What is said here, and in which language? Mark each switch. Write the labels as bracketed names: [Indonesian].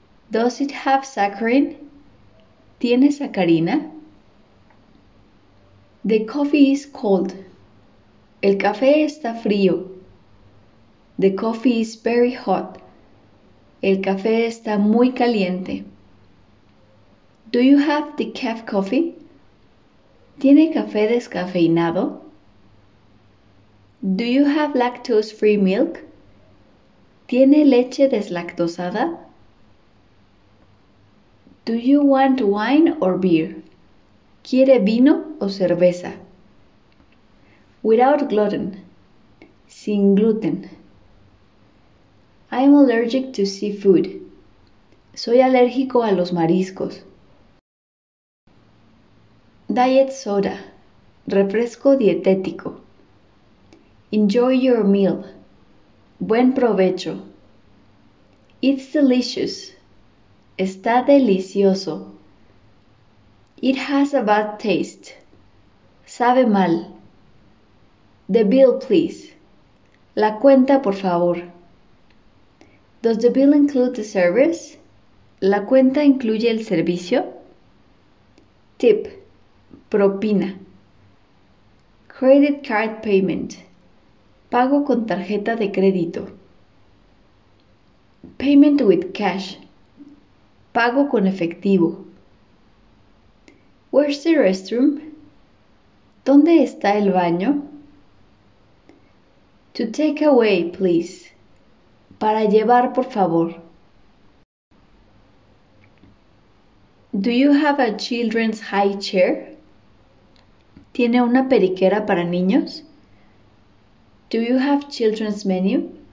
[English] Does it have saccharin? [Spanish] ¿Tiene sacarina? [English] The coffee is cold. [Spanish] El café está frío. [English] The coffee is very hot. [Spanish] El café está muy caliente. [English] Do you have decaf coffee? [Spanish] ¿Tiene café descafeinado? [English] Do you have lactose-free milk? [Spanish] ¿Tiene leche deslactosada? [English] Do you want wine or beer? [Spanish] ¿Quiere vino o cerveza? [English] Without gluten. [Spanish] Sin gluten. [English] I'm allergic to seafood. [Spanish] Soy alérgico a los mariscos. [English] Diet soda. [Spanish] Refresco dietético. [English] Enjoy your meal. [Spanish] Buen provecho. [English] It's delicious. [Spanish] Está delicioso. [English] It has a bad taste. [Spanish] Sabe mal. [English] The bill, please. [Spanish] La cuenta, por favor. [English] Does the bill include the service? [Spanish] ¿La cuenta incluye el servicio? [English] Tip. [Spanish] Propina. [English] Credit card payment. [Spanish] Pago con tarjeta de crédito. [English] Payment with cash. [Spanish] Pago con efectivo. [English] Where's the restroom? [Spanish] ¿Dónde está el baño? [English] To take away, please. [Spanish] Para llevar, por favor. [English] Do you have a children's high chair? [Spanish] ¿Tiene una periquera para niños? [English] Do you have children's menu?